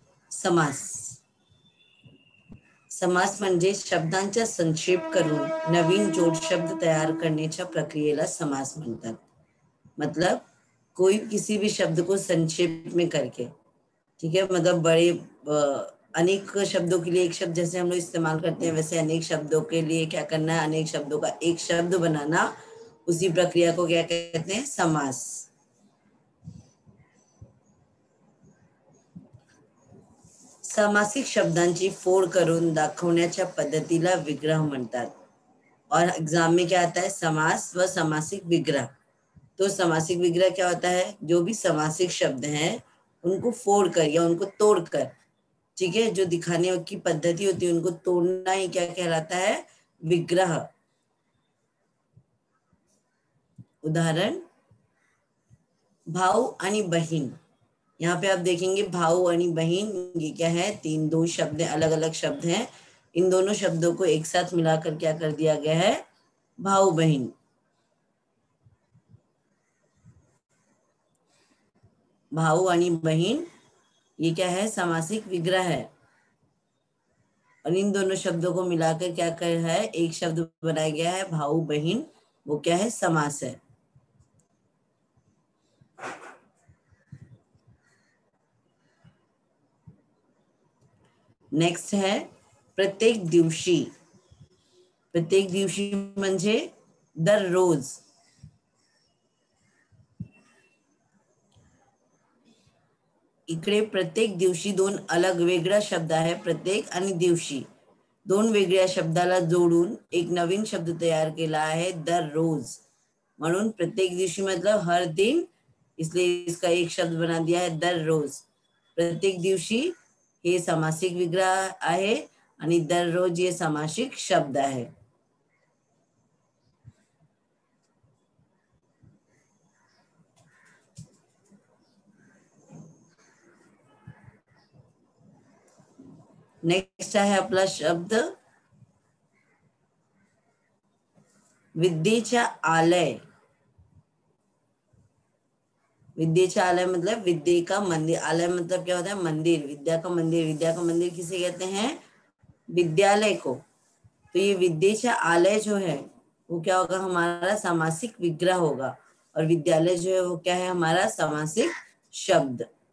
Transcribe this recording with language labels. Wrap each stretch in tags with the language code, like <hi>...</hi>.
<mr>समास म्हणजे शब्दांचा संक्षेप करून नवीन जोड शब्द तयार करण्याच्या प्रक्रियेला समास म्हणतात।</mr> <hi>मतलब कोई किसी भी शब्द को संक्षेप में करके, ठीक है, मतलब बड़े अनेक शब्दों के लिए एक शब्द जैसे हम लोग इस्तेमाल करते हैं, वैसे अनेक शब्दों के लिए क्या करना है, अनेक शब्दों का एक शब्द बनाना, उसी प्रक्रिया को क्या कहते हैं, समास।</hi> <mr>सामासिक शब्दांची फोड करून दाखवण्याच्या पद्धतीला विग्रह म्हणतात।</mr> <hi>और एग्जाम में क्या आता है, समास व सामासिक विग्रह। तो सामासिक विग्रह क्या होता है, जो भी सामासिक शब्द हैं उनको फोड़ कर या उनको तोड़ कर, ठीक है, जो दिखाने की पद्धति होती है उनको तोड़ना ही क्या कहलाता है, विग्रह।</hi> <mr>उदाहरण भाऊ आणि बहीण।</mr> <hi>यहाँ पे आप देखेंगे</hi> <mr>भाऊ आणि बहीण,</mr> <hi>ये क्या है, तीन दो शब्द हैं, अलग अलग शब्द हैं, इन दोनों शब्दों को एक साथ मिलाकर क्या कर दिया गया है, भाऊ बहीण।</hi> <mr>भाऊ आणि बहीण</mr> <hi>ये क्या है, सामासिक विग्रह है, और इन दोनों शब्दों को मिलाकर क्या कर है, एक शब्द बनाया गया है, भाऊ बहीण, वो क्या है, समास है। नेक्स्ट है प्रत्येक दिवसी।</hi> <mr>प्रत्येक दिवसी म्हणजे दर रोज। इकडे प्रत्येक दिवशी दोन अलग वेगळा शब्द आहे, प्रत्येक आणि दिवशी दोन वेगळ्या शब्दाला जोडून एक नवीन शब्द तयार केला आहे, दर रोज। म्हणून प्रत्येक दिवशी</mr> <hi>मतलब हर दिन, इसलिए इसका एक शब्द बना दिया है, दर रोज।</hi> <mr>प्रत्येक दिवशी हे सामासिक विग्रह आहे आणि दर रोज ये सामासिक शब्द आहे। नेक्स्ट आहे आपला शब्द विद्येचा आलय। विद्येचा आलय</mr> <hi>मतलब विद्ये का मंदिर। आलय मतलब क्या होता है, मंदिर, विद्या का मंदिर। विद्या का मंदिर किसे कहते हैं, विद्यालय को। तो ये विद्येचा आलय जो है वो क्या होगा, हमारा सामासिक विग्रह होगा, और विद्यालय जो है वो क्या है, हमारा सामासिक शब्द।</hi>